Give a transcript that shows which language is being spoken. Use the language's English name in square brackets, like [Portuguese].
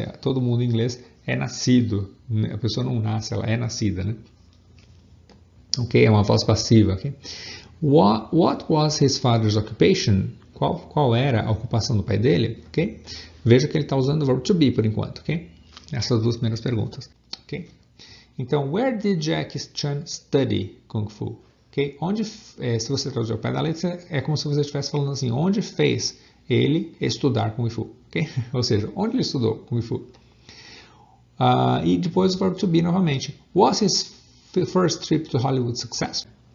[Portuguese] Todo mundo em inglês é nascido. A pessoa não nasce, ela é nascida. Né? Okay? É uma voz passiva. Okay? [English] What was his father's occupation? [Portuguese] Qual era a ocupação do pai dele? Ok? Veja que ele está usando o verbo to be por enquanto, ok? Essas duas primeiras perguntas, ok? Então, [English] where did Jackie Chan study Kung Fu? Okay? [Portuguese] Onde, se você traduzir o pé da letra, é como se você estivesse falando assim, onde fez ele estudar Kung Fu? Okay? Ou seja, onde ele estudou Kung Fu? E depois o verbo to be novamente. [English] Was his first trip to Hollywood successful?